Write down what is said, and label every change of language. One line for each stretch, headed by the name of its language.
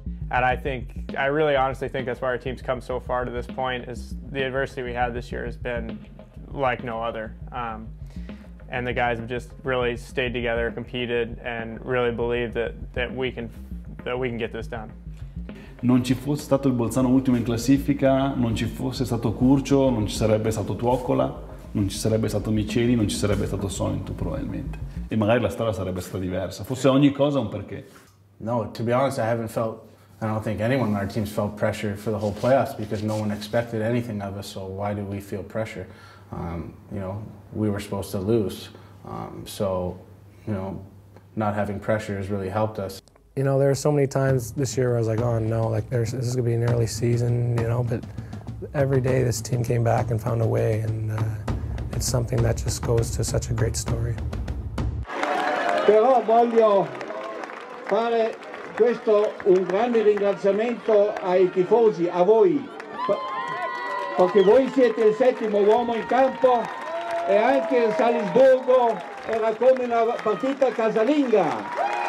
English: And I think, I really honestly think that's why our team's come so far to this point, is the adversity we had this year has been like no other. And the guys have just really stayed together, competed, and really believed that we can get this done.
Italian: Non ci fosse stato il Bolzano ultimo in classifica, non ci fosse stato Curcio, non ci sarebbe stato Tuoccola, non ci sarebbe stato Miceli, non ci sarebbe stato Sointo probabilmente. E magari la strada sarebbe stata diversa. Forse ogni cosa ha un perché.
English: No, to be honest, I don't think anyone on our team's felt pressure for the whole playoffs because no one expected anything of us, so why do we feel pressure? You know, we were supposed to lose. So, you know, not having pressure has really helped us. You know, there are so many times this year where I was like, oh no, like this is going to be an early season, you know, but every day this team came back and found a way, and it's something that just goes to such a great story.
Italian: Però voglio fare questo un grande ringraziamento ai tifosi, a voi, perché voi siete il settimo uomo in campo e anche il Salisburgo era come una partita casalinga.